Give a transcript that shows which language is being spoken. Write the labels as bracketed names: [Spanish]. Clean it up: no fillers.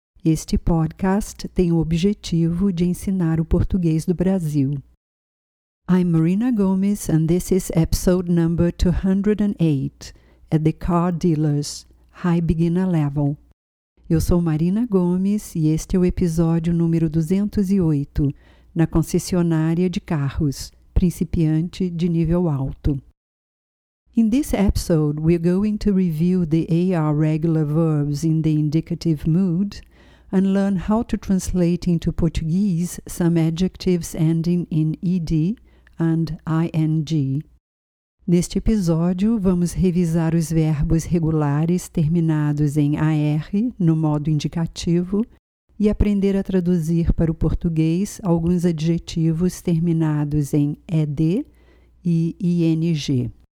[Portuguese] Este podcast tem o objetivo de ensinar o português do Brasil. [English] I'm Marina Gomes and this is episode number 208 at the Car Dealers High Beginner Level. [Portuguese] Eu sou Marina Gomes e este é o episódio número 208 na concessionária de carros, principiante de nível alto. [English] In this episode, we're going to review the AR regular verbs in the indicative mood and learn how to translate into Portuguese some adjectives ending in ED and ING. [Portuguese] Neste episódio, vamos revisar os verbos regulares terminados em AR, no modo indicativo, e aprender a traduzir para o português alguns adjetivos terminados em ED e ING.